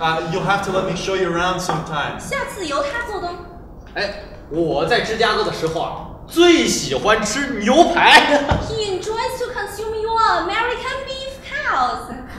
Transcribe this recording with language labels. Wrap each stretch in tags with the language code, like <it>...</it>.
<en>You'll have to let me show you around sometime.</en> <zh>下次由他做东。哎，我在芝加哥的时候啊，最喜欢吃牛排。</zh> <en>He enjoys to consume your American beef cows.</en>